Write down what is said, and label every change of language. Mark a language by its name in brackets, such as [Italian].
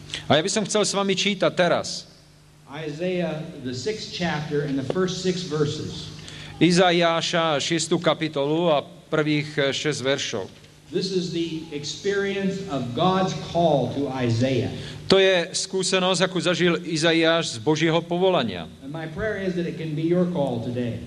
[Slovak] A ja by som chcel s vami čítať teraz Izaiáša 6. kapitolu a prvých 6 veršov. [English] This is the experience of God's call to Isaiah. [Slovak] To je skúsenosť, akú zažil Izaiáš z Božieho povolania. [English] And my prayer is that it can be your call today.